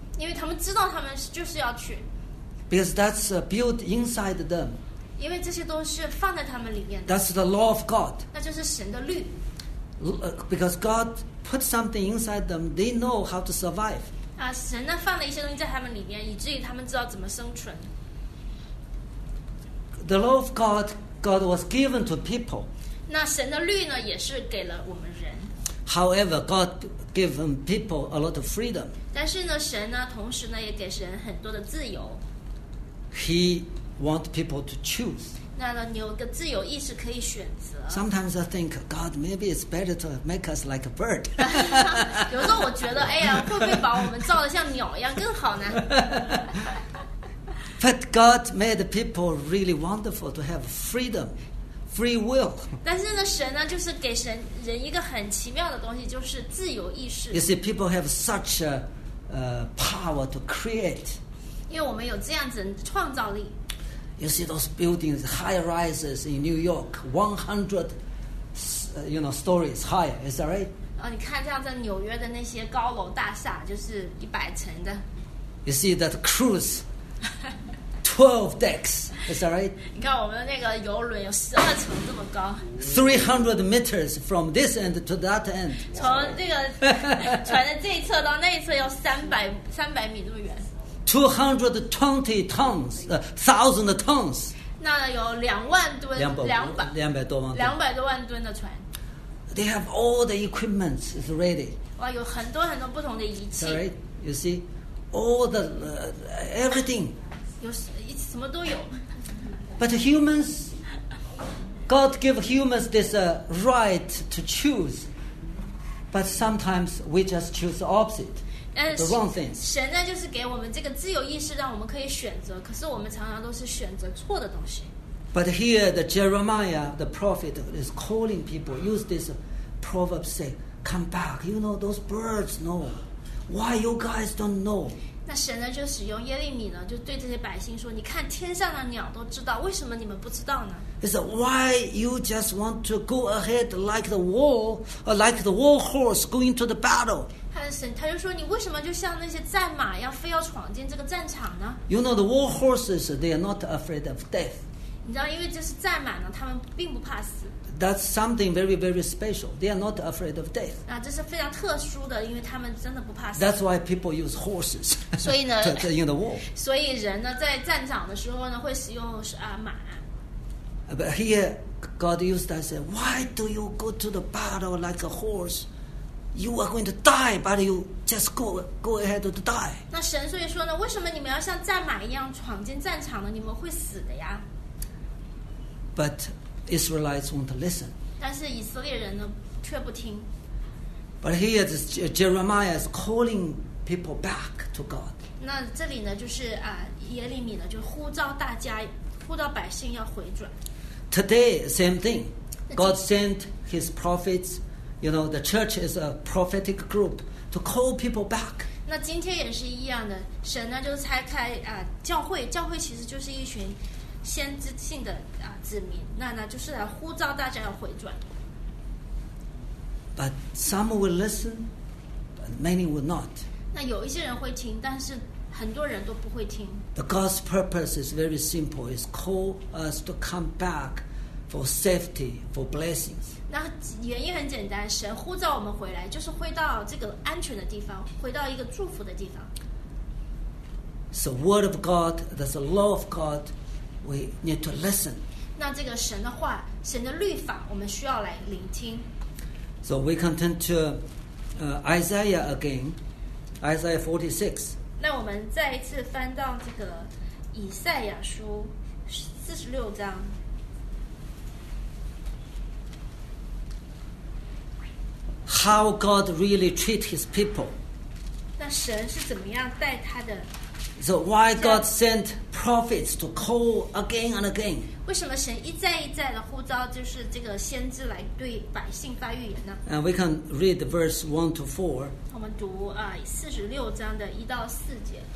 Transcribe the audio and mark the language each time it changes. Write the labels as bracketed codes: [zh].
[zh] 因为他们知道他们就是要去。 [en] Because that's built inside them. [zh] 因为这些都是放在他们里面的。 [en] That's the law of God. [zh] 那就是神的律。 [en] Because God put something inside them, they know how to survive. [zh] 啊，神呢放了一些东西在他们里面，以至于他们知道怎么生存。 [en] The law of God, God was given to people. [zh] 那神的律呢，也是给了我们人。 [en] However, God gave people a lot of freedom. [zh] 但是呢，神呢，同时呢，也给人很多的自由。 [en] He. Want people to choose. [zh] 那你有个自由意识可以选择。 [en] Sometimes I think, God, maybe it's better to make us like a bird. [zh] 有时候我觉得，哎呀，会不会把我们造得像鸟一样更好呢？ [en] But God made people really wonderful to have freedom, free will. [zh] 但是呢，神呢，就是给神人一个很奇妙的东西，就是自由意识。 [en] You see, people have such a power to create. [zh] 因为我们有这样子的创造力。 [en] You see those buildings, high rises in New York, 100, you know, stories higher. Is that right? [zh] 哦，你看这样在纽约的那些高楼大厦，就是100层的。 [en] You see that cruise, 12 decks. Is that right? [zh] 你看我们那个游轮有12层这么高。 [en] 300 meters from this end to that end. [zh] 从这个船的这一侧到那一侧要300米这么远。 [en] 220 tons, 1,000 tons. [zh] 那有两万吨，两百多万吨的船。 [en] They have all the equipment is ready. [zh] 哇，有很多很多不同的仪器。 [en] Sorry, you see, all the everything. [zh] 有什么都有。 [en] But humans, God give humans this right to choose, but sometimes we just choose the opposite. The wrong things. [zh] 神呢，就是给我们这个自由意识，让我们可以选择。可是我们常常都是选择错的东西。 [en] But here, the Jeremiah, the prophet, is calling people. Use this proverb, say, "Come back." You know those birds know. Why you guys don't know? [zh] 那神呢，就使用耶利米呢，就对这些百姓说：“你看天上的鸟都知道，为什么你们不知道呢？” [en] He said, "Why you just want to go ahead like the war, or like the war horse going to the battle?" [zh] 他就说你为什么就像那些战马一样非要闯进这个战场呢 [en] ？You know the war horses, they are not afraid of death. [zh] 你知道，因为这是战马呢，他们并不怕死。 [en] That's something very, very special. They are not afraid of death. [zh] 啊，这是非常特殊的，因为他们真的不怕死。 [en] That's why people use horses. [zh] 所以呢，在用的 war. 所以人呢，在战场的时候呢，会使用马。 [en] But here, God used that. Said, "Why do you go to the battle like a horse?" You are going to die, but you just go ahead to die. [zh] 那神所以说呢，为什么你们要像战马一样闯进战场呢？你们会死的呀。 [en] But Israelites won't listen. [zh] 但是以色列人呢，却不听。 [en] But here, this Jeremiah is calling people back to God. [zh] 那这里呢，就是耶利米呢，就呼召大家，呼召百姓要回转。 [en] Today, same thing. God sent His prophets. You know, the church is a prophetic group to call people back. [zh] 那今天也是一样的，神呢就拆开教会，教会其实就是一群先知性的子民，那就是来呼召大家要回转。 [en] But some will listen, but many will not. [zh] 那有一些人会听，但是很多人都不会听。 [en] The God's purpose is very simple: is call us to come back for safety, for blessings. [zh] 那原因很简单，神呼召我们回来，就是回到这个安全的地方，回到一个祝福的地方。 [en] So word of God, that's the law of God, we need to listen. [zh] 那这个神的话，神的律法，我们需要来聆听。 [en] So we can turn to Isaiah again, Isaiah 46. [zh] 那我们再一次翻到这个以赛亚书四十六章。 [en] How God really treat His people. [zh] 那神是怎么样待他的？ [en] So why God sent prophets to call again and again? [zh] 为什么神一再一再的呼召就是这个先知来对百姓发预言呢？ [en] And we can read verse 1-4. [zh] 我们读四十六章的一到四节。